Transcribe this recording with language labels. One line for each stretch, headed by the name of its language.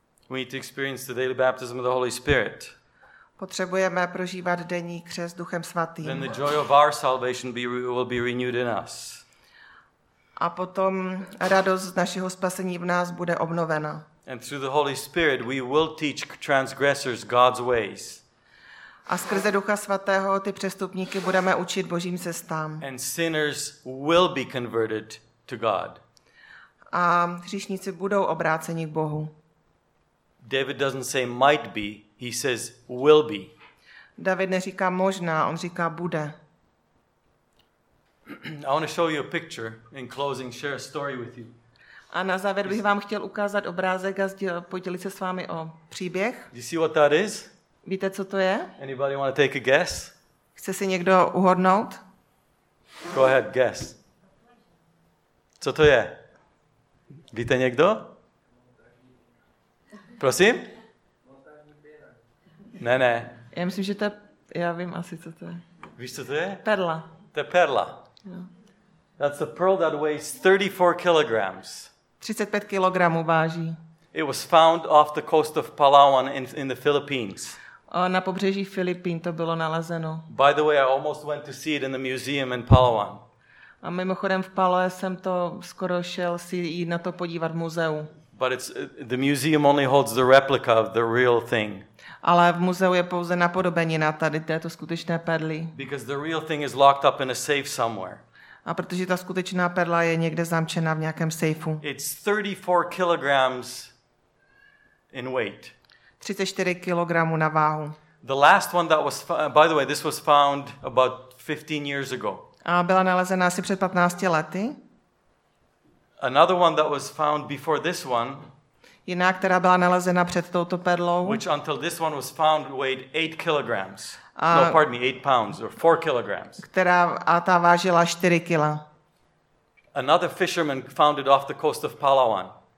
English: We need to experience the daily baptism of the Holy Spirit.
Czech: Potřebujeme prožívat denní křest Duchem Svatým.
English: Then the joy of our salvation will be renewed in us.
Czech: A potom radost z našeho spasení v nás bude obnovena.
English: And through the Holy Spirit we will teach transgressors God's ways.
Czech: A skrze Ducha Svatého ty přestupníky budeme učit Božím cestám.
English: And sinners will be converted to God.
Czech: A hříšníci budou obráceni k Bohu.
English: David doesn't say might be, he says will be.
Czech: David neříká možná, on říká bude.
English: I want to show you a picture in closing, share a story with you.
Czech: A na závěr bych vám chtěl ukázat obrázek a podělit se s vámi o příběh.
English: You see what that is?
Czech: Víte, co to je?
English: Anybody want to take a guess?
Czech: Chce si někdo uhodnout?
English: Go ahead, guess.
Czech: Co to je? Víte někdo? Prosím? Ne, ne. Já myslím, že to je, já vím asi, co to je. Víš, co to je? Perla. To je perla. Jo.
English: That's a pearl that weighs 34 kilograms.
Czech: 35 kilogramů váží.
English: It was found off the coast of Palawan in the Philippines.
Czech: Na pobřeží Filipín to bylo nalezeno.
English: By the way, I almost went to see it in the museum in Palawan.
Czech: A mimochodem v Palawan jsem to skoro šel si jít na to podívat v muzeu.
English: But it's the museum only holds the replica of the real thing.
Czech: Ale v muzeu je pouze napodobenina tady této skutečné perly.
English: Because the real thing is locked up in a safe somewhere.
Czech: A protože ta skutečná perla je někde zamčena v nějakém sejfu.
English: It's 34 kilograms in weight.
Czech: 34 kilogramů na váhu.
English: The last one that was by the way this was found about 15 years ago.
Czech: A byla nalezena asi před 15 lety.
English: Another one that was found before this one.
Czech: Jiná, která byla nalezena před touto perlou.
English: Which until this one was found weighed 8 kilograms. No, pardon me, 8 pounds or 4 kilograms.
Czech: Která a ta vážila 4 kila.
English: Another fisherman found it off the coast of Palawan.